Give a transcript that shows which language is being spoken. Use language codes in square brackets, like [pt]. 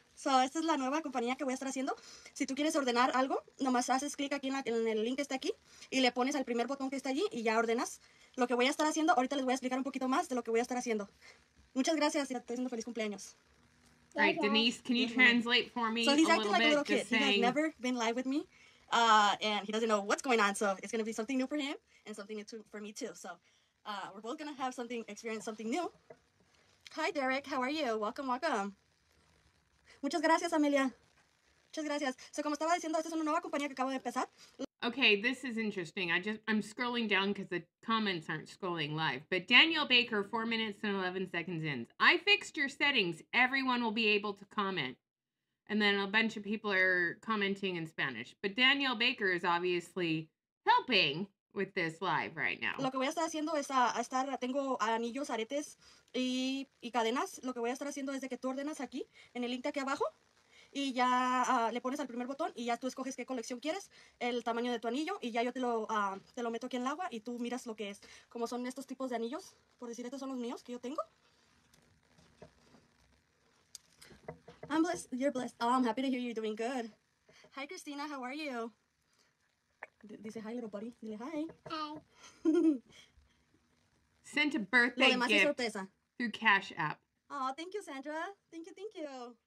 [es] So, esta es la nueva compañía que voy a estar haciendo. Si tú quieres ordenar algo, nomás haces clic aquí en el link que está aquí y le pones al primer botón que está allí y ya ordenas. Lo que voy a estar haciendo, ahorita les voy a explicar un poquito más de lo que voy a estar haciendo. Muchas gracias y te estoy diciendo feliz cumpleaños. [en] All right, Denise, can you translate for me? So he's acting like a little kid. He has never been live with me, and he doesn't know what's going on. So it's going to be something new for him and something new for me too. So we're both going to have something, experience something new. Hi, Derek. How are you? Welcome, welcome. [es] Muchas gracias, Amelia. Muchas gracias. So como estaba diciendo, esta es una nueva compañía que acabo de empezar. [en] Okay, this is interesting. I'm scrolling down because the comments aren't scrolling live. But Daniel Baker, 4 minutes and 11 seconds in. I fixed your settings. Everyone will be able to comment. And then a bunch of people are commenting in Spanish. But Daniel Baker is obviously helping with this live right now. [es] Lo que voy a estar haciendo es tengo anillos, aretes y cadenas. Lo que voy a estar haciendo es de que tú ordenas aquí en el link de aquí abajo. Y ya le pones al primer botón y ya tú escoges qué colección quieres, el tamaño de tu anillo, y ya yo te lo meto aquí en el agua y tú miras lo que es. Como son estos tipos de anillos, por decir, estos son los míos que yo tengo. [en] I'm blessed, you're blessed. Oh, I'm happy to hear you're doing good. Hi, Christina, how are you? [es] Dice [en] hi, little buddy. [es] Dile [en] hi. Hi. Sent a birthday gift through Cash App. Oh, thank you, Sandra. Thank you, thank you.